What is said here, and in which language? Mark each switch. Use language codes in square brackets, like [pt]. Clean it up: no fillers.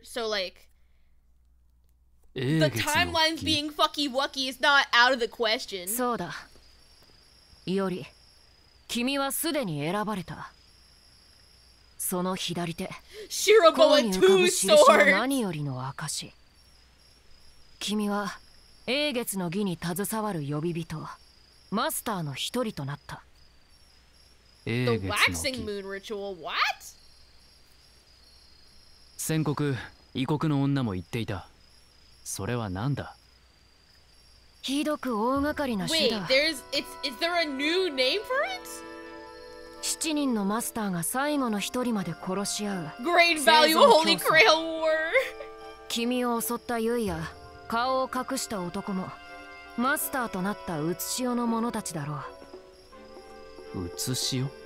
[en] So like the timelines being fucky wucky is not out of the question. [ja] そうだ。より、君はすでに選ばれた。その左手、シロボは2ソード。 何よりの証。君は、英月の儀に携わる呼び人、マスターの一人となった。英月の儀。 [en] The waxing moon ritual, what? [ja] 先刻、異国の女も言っていた。それは何だ？ひどく大掛かりな手段。 [en] Wait, there's, it's, is there a new name for it? [ja] 七人のマスターが最後の一人まで殺し合う。 [en] Great value, Holy Grail War! [ja] 君を襲ったユイや、顔を隠した男も、マスターとなったうつしおの者たちだろう。うつしお？